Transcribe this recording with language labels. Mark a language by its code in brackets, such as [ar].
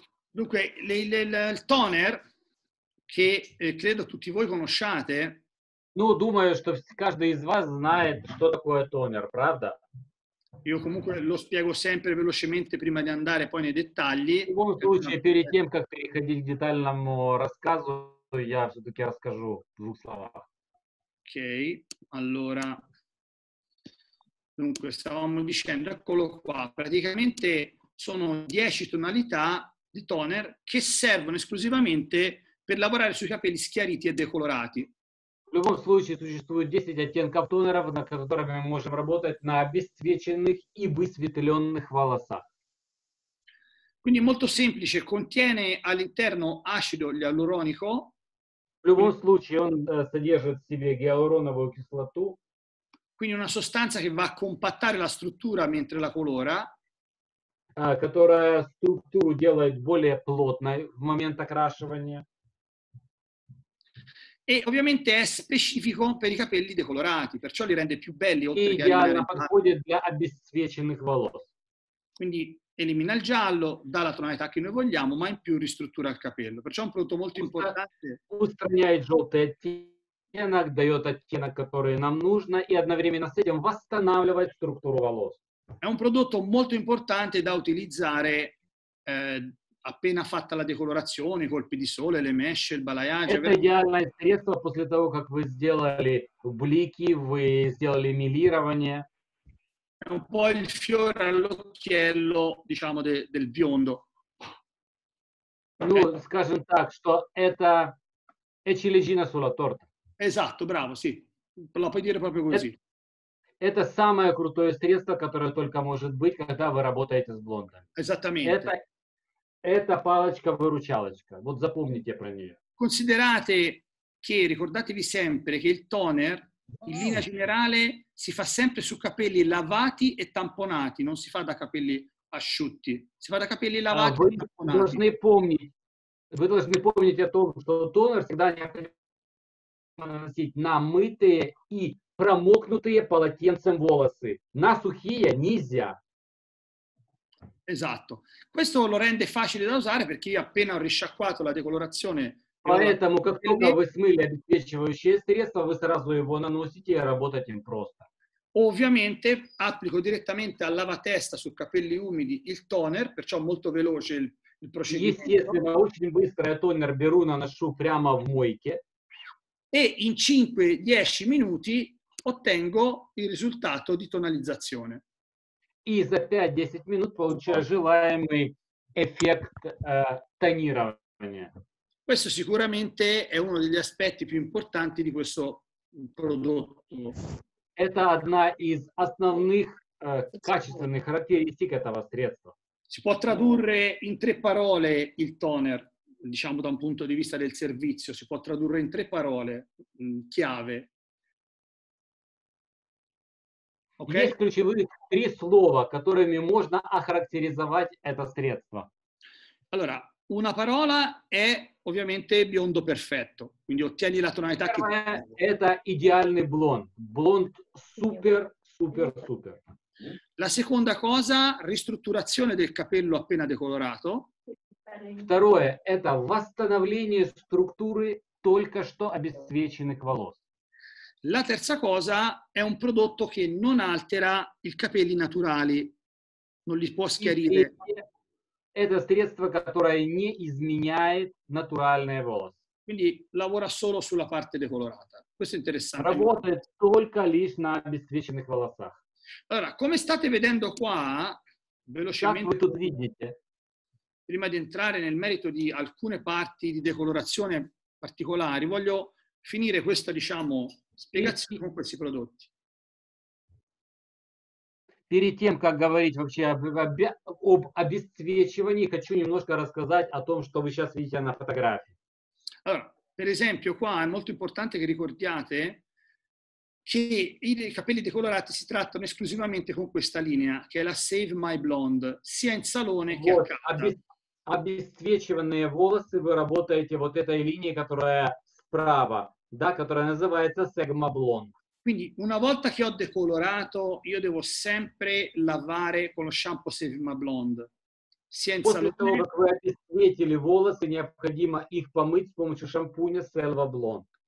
[it] Dunque, il toner che credo tutti voi conosciate. [ru] Ну, думаю, что каждый из вас знает, что такое тонер, правда? [it] Io comunque lo spiego sempre velocemente prima di andare poi nei dettagli. [ru] В любом случае, перед тем, как переходить к детальному рассказу, я все-таки расскажу в двух словах. [it] Ok, allora. Dunque, stavamo dicendo, eccolo qua. Praticamente sono 10 tonalità di toner che servono esclusivamente per lavorare sui capelli schiariti e decolorati. [ru] В любом случае существует 10 оттенков тонеров, на которых мы можем работать на обесцвеченных и высветленных волосах. [it] Quindi molto semplice, contiene all'interno acido ialuronico. [ru] В любом случае он содержит в себе гиалуроновую кислоту. [it] Quindi una sostanza che va a compattare la struttura mentre la colora. [ru] Которая структуру делает более плотной в момент окрашивания. [it] E ovviamente è specifico per i capelli decolorati, perciò li rende più belli. E ideale [ru] подходит для обесцвеченных волос. [it] Quindi elimina il giallo, dà la tonalità che noi vogliamo, ma in più ristruttura il capello. Perciò è un prodotto molto importante. [ru] Устраняет желтый оттенок, дает оттенок, который нам нужно, и одновременно с этим восстанавливает структуру волос. [it] È un prodotto molto importante da utilizzare appena fatta la decolorazione, i colpi di sole, le mesh, il balayage. [ru] Это идеальное средство после того, как вы сделали блики, вы сделали эмилирование. [it] È un po' il fiore all'occhiello, diciamo, del biondo. [ru] Ну, скажем так, что это [it] ciliegina sulla torta. Esatto, bravo, sì. La puoi dire proprio così. [ru] Это самое крутое средство, которое только может быть, когда вы работаете с блондом. [it] Exactamente. [ru] Это палочка-выручалочка. Вот запомните про нее. [it] Considerate che, ricordatevi sempre, che il toner, in linea generale, si fa sempre su capelli lavati e tamponati, non si fa da capelli asciutti. Si fa da capelli лавати и тампонати. [ru] Вы должны помнить о том, что тонер всегда необходимо наносить на мытые и промокнутые полотенцем волосы. На сухие нельзя. [it] Esatto. Questo lo rende facile da usare perché io appena ho risciacquato la decolorazione. [ru] Поэтому, как только вы смыли обесцвечивающее средство, вы сразу его наносите и работаете им просто. [it] Ovviamente applico direttamente al lavatesta su capelli umidi il toner, perciò molto veloce il procedimento. [ru] Естественно, очень быстро я тонер беру, наношу прямо в мойке. [it] E in 5-10 minuti ottengo il risultato di tonalizzazione. [ru] И за 5-10 минут получаю желаемый эффект тонирования. [it] Questo sicuramente è uno degli aspetti più importanti di questo prodotto. [ru] Это одна из основных качественных характеристик этого средства. [it] Si può tradurre in 3 parole il toner, diciamo da un punto di vista del servizio, si può tradurre in 3 parole chiave. Okay. [ru] Есть ключевые 3 слова, которыми можно охарактеризовать это средство. [it] Allora, una parola è ovviamente biondo perfetto, quindi ottieni la tonalità che [ru] это идеальный блонд. Блонд супер, супер, супер. [it] La seconda cosa, ristrutturazione del capello appena decolorato. [ru] Второе – это восстановление структуры только что обесцвеченных волос. [it] La terza cosa è un prodotto che non altera i capelli naturali, non li può schiarire. [ru] Это средство, которое не изменяет натуральные волосы. [it] Quindi lavora solo sulla parte decolorata. Questo è interessante. [ru] Работает только лишь на обесцвеченных волосах. [it] Allora, come state vedendo qua, velocemente, prima di entrare nel merito di alcune parti di decolorazione particolari, voglio finire questa, diciamo, spiegazione con questi prodotti. [ru] Перед тем, как говорить вообще об обесцвечивании, хочу немножко рассказать о том, что вы сейчас видите на фотографии. [it] Allora, per esempio, qua è molto importante che ricordiate che i capelli decolorati si trattano esclusivamente con questa linea, che è la Save My Blonde, sia in salone che a casa. [ru] Обесцвеченные волосы вы работаете вот этой линией, которая справа, да, которая называется Save My Blonde. [it] Quindi una volta che ho decolorato, io devo sempre lavare con lo shampoo Save My Blonde. Sia in salone. [ru] После того, как вы обесцветили волосы, необходимо их помыть с помощью шампуня Save My Blonde.